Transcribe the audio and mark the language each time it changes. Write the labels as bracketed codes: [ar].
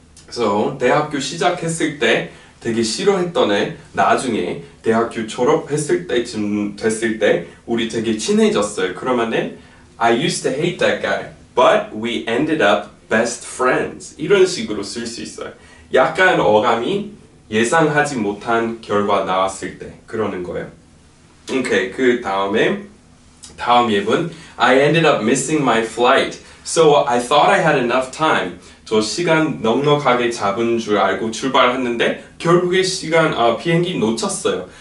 [ko] So 대학교 시작했을 때 되게 싫어했던 애 나중에 대학교 졸업했을 때쯤 됐을 때 우리 되게 친해졌어요. [en] 그러면은 I used to hate that guy, but we ended up best friends. [ko] 이런 식으로 쓸 수 있어요. 약간 어감이 예상하지 못한 결과 나왔을 때 그러는 거예요. [en] Okay, [ko] 그 다음에 다음 예문 [en] I ended up missing my flight. So I thought I had enough time. [ko] 저 시간 넉넉하게 잡은 줄 알고 출발했는데 결국에 시간 비행기 놓쳤어요.